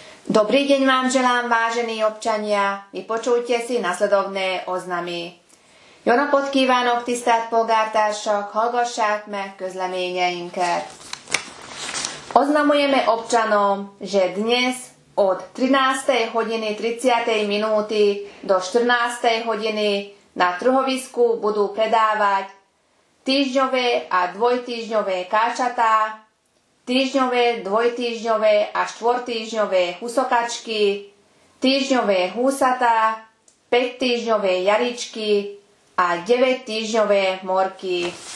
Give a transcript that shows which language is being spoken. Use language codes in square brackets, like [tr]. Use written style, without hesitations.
[sk] Dobrý deň vám želám, vážení občania. Vypočujte si nasledovné oznamy. [hu] Jono podkívánok tisztelt polgártársak, hallgassák meg közleményeinket. [sk] Oznamujeme občanom, že dnes od 13. hodiny 30. minúty do 14. hodiny na trhovisku budú predávať týždňové a dvojtýždňové káčatá, týždňové, dvojtýždňové a štvortýždňové husokačky, týždňové húsatá, 5-týždňové jaričky a 9-týždňové morky.